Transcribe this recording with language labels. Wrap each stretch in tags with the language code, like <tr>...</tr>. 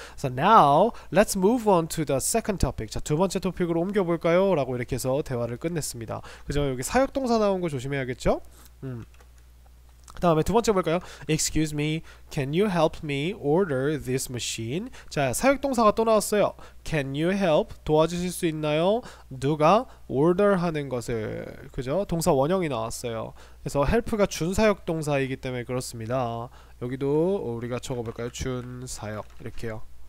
<en>So now let's move on to the second topic.</en> <ko>자, 두 번째 토픽으로 옮겨볼까요? 라고 이렇게 해서 대화를 끝냈습니다. 그죠? 여기 사역동사 나온 거 조심해야겠죠? 그 다음에 두 번째 볼까요?</ko> <en>Excuse me, can you help me order this machine?</en> <ko>자, 사역동사가 또 나왔어요.</ko> <en>Can you help?</en> <ko>도와주실 수 있나요? 누가 order 하는 것을. 그죠? 동사 원형이 나왔어요. 그래서 help가 준사역동사이기 때문에 그렇습니다. 여기도 우리가 적어볼까요? 준사역. 이렇게요.</ko>